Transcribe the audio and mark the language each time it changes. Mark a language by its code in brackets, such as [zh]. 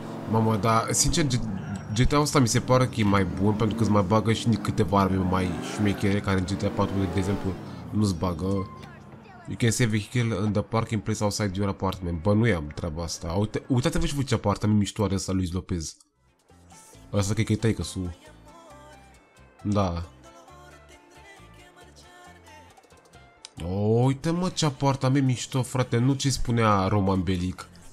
[ro] Mamă, dar sincer, GTA-ul ăsta mi se pare că e mai bun, pentru că îți mai bagă și câteva arme mai șmechere, care în GTA 4, de exemplu, nu-ți bagă. [en] You can save a vehicle in the parking place outside your apartment. [ro] Bă, nu i-am treaba asta. Uitați-vă și voi ce apartament miștoare ăsta lui Lopez. Ăsta cred că-i taică-su. Da. Uite, mă, ce apartament mișto, frate. Nu ce spunea Roman Belic.